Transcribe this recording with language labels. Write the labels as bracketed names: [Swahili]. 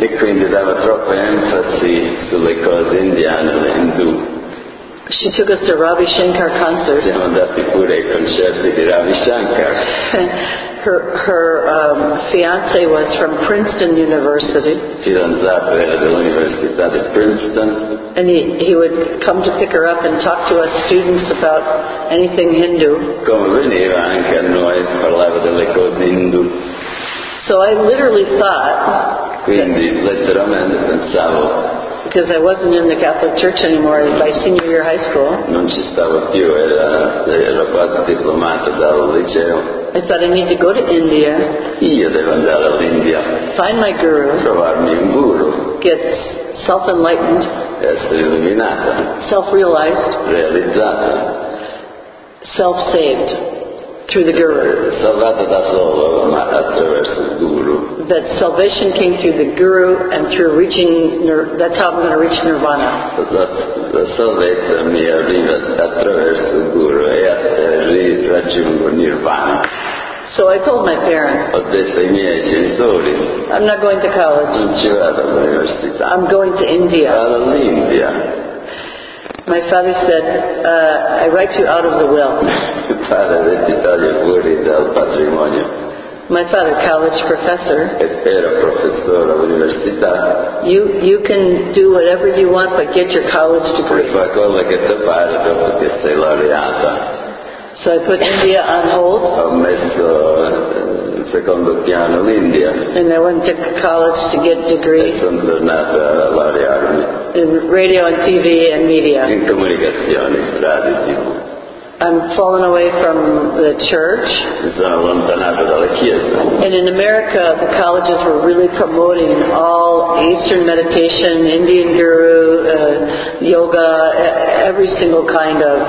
[Italian] E quindi dava troppa enfasi sulle cose indiane e hindu. [English] She took us to Ravi Shankar concert. [Italian] Siamo andati pure ai concerti di Ravi Shankar. [English] Her fiance was from Princeton University. [Italian] Fidanzato era dell'università di Princeton. [English] And he would come to pick her up and talk to us students about anything Hindu. [Italian] Come veniva anche a noi parlava delle cose Hindu. [English] So I literally thought. [Italian] Quindi letteralmente pensavo. [English] Because I wasn't in the Catholic Church anymore by senior year high school. [Italian] Non ci stavo più, ero quasi diplomato dal liceo. [English] I thought I need to go to India. [Italian] Io devo andare all'India. [English] Find my guru. [Italian] Trovarmi un guru. [English] Get self-enlightened. [Italian] Essere illuminata. [English] Self-realized. [Italian] Realizzata. [English] Self-saved. Through the guru. [Italian] Salvato da solo, ma attraverso il guru. [English] That salvation came through the guru and through reaching that's how I'm going to reach nirvana. [Italian] La salvezza mi arriva attraverso il guru e raggiungo nirvana. [English] So I told my parents. [Italian] Ho detto ai miei genitori. [English] I'm not going to college. [Italian] Non ci vado all'università. [English] I'm going to India. [Italian] Vado all'India. [English] My father said, I write you out of the will. [Italian] Padre detto taglio fuori dal patrimonio. [English] My father, college professor. [Italian] Era professore all'università. [English] You can do whatever you want, but get your college degree. [Italian] Puoi fare quello che ti pare dopo che sei laureata. [English] So I put India on hold. [Italian] Ho messo secondo piano l'India. [English] And I went to college to get degrees. [Italian] Sono tornata a laurearmi. [English] In radio and TV and media. [Italian] In comunicazione, radio e TV. [English] I'm falling away from the church. [Italian] Mi sono allontanato dalla chiesa. [English] And in America, the colleges were really promoting all Eastern meditation, Indian guru, yoga, every single kind of.